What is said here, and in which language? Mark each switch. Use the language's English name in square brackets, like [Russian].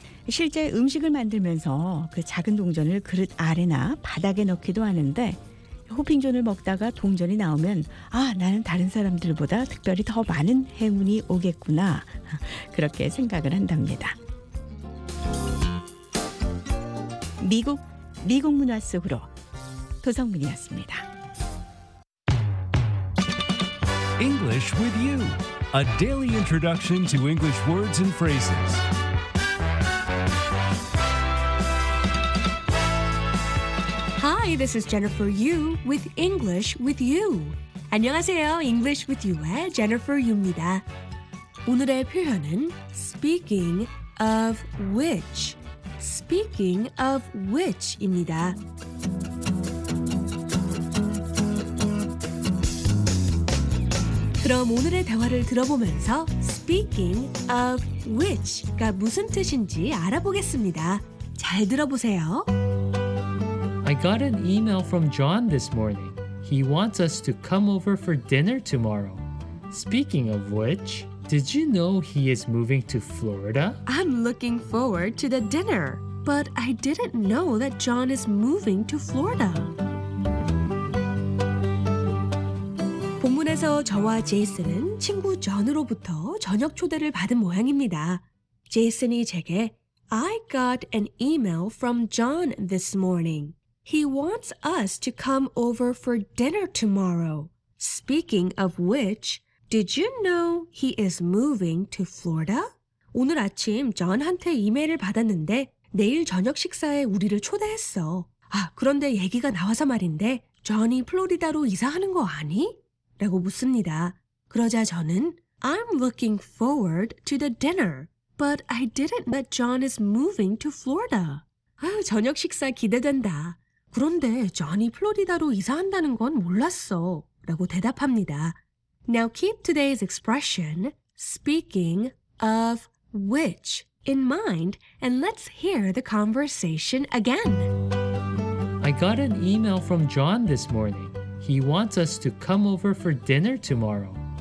[Korean] 실제 음식을 만들면서 그 작은 동전을 그릇 아래나 바닥에 넣기도 하는데 호핑존을 먹다가 동전이 나오면 아, 나는 다른 사람들보다 특별히 더 많은 행운이 오겠구나 그렇게 생각을 한답니다. 미국 문화 속으로 도성민이었습니다. [English] English with you. A daily introduction to English words and phrases. Hi, this is Jennifer Yu with English with You. [Korean] 안녕하세요, English with You의 Jennifer Yu입니다. 오늘의 표현은 [English] speaking of which, speaking of which [Korean] 입니다. 그럼 오늘의 대화를 들어보면서 [English] speaking of which [Korean] 가 무슨 뜻인지 알아보겠습니다. 잘 들어보세요. [English] I got an email from John this morning. He wants us to come over for dinner tomorrow. Speaking of which, did you know he is moving to Florida? I'm looking forward to the dinner, but I didn't know that John is moving to Florida. [Korean] 본문에서 저와 제이슨은 친구 존으로부터 저녁 초대를 받은 모양입니다. 제이슨이 제게 [English] I got an email from John this morning. He wants us to come over for dinner tomorrow. Speaking of which, did you know he is moving to Florida? [Korean] 오늘 아침 존한테 이메일을 받았는데 내일 저녁 식사에 우리를 초대했어. 아, 그런데 얘기가 나와서 말인데 존이 플로리다로 이사하는 거 아니? 라고 묻습니다. 그러자 저는 [English] I'm looking forward to the dinner, but I didn't know John is moving to Florida. [Korean] 아, 저녁 식사 기대된다. 그런데 존이 플로리다로 이사한다는 건 몰랐어. 라고 대답합니다. [English] Now keep today's expression, speaking of which, in mind, and let's hear the conversation again. I got an email from John this morning. He wants us to come over for dinner tomorrow.